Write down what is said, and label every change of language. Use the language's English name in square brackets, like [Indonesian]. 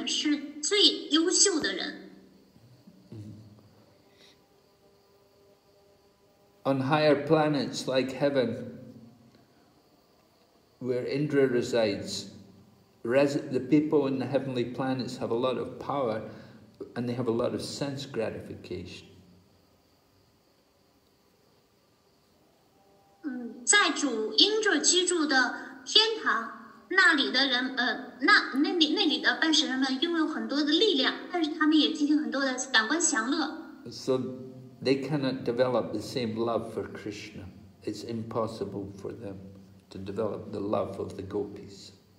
[Chinese] 在地球上居住的人们当中，勾皮们是最优秀的人。 [English] On higher planets like heaven, where Indra resides, the people in the heavenly planets have a lot of power and they have a lot of sense gratification. [Chinese] 在主、Indra居住的天堂，那里的人，那里的拜神人们拥有很多的力量，但是他们也进行很多的感官享乐。 [English] So, they cannot develop the same love for Krishna. It's impossible for them to develop the love of the gopis.